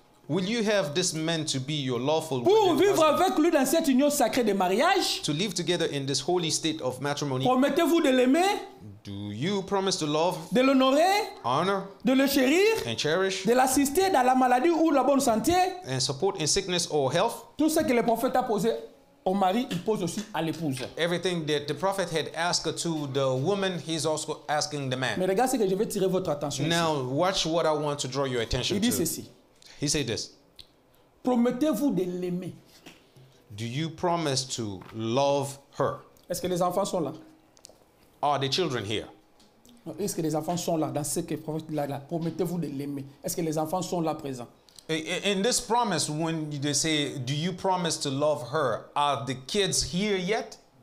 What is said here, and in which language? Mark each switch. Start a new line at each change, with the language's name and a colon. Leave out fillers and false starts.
English: Will you have this man to be your lawful
French: pour vivre avec lui dans cette union sacrée de mariage?
English: To live together in this holy state of matrimony.
French: Promettez-vous de l'aimer?
English: Do you promise to love?
French: De l'honorer?
English: Honor?
French: De le chérir?
English: And cherish?
French: De l'assister dans la maladie ou la bonne santé?
English: And support in sickness or health?
French: Tout ce que le prophète a posé au mari, il pose aussi à l'épouse.
English: Everything that the prophet had asked to the woman, he's also asking the man.
French: Mais regardez ce que je vais tirer votre attention.
English: Now
French: ici.
English: Watch what I want to draw your attention to.
French: Il dit
English: to.
French: Ceci.
English: He said this.
French: Promettez-vous de l'aimer.
English: Do you promise to love her?
French: Est-ce que les enfants sont là?
English: Are the children here?
French: Est-ce que les enfants sont là dans ce que promettez-vous de l'aimer? Est-ce que les enfants sont là présents?
English: In this promise, when they say, do you promise to love her, are the kids here yet?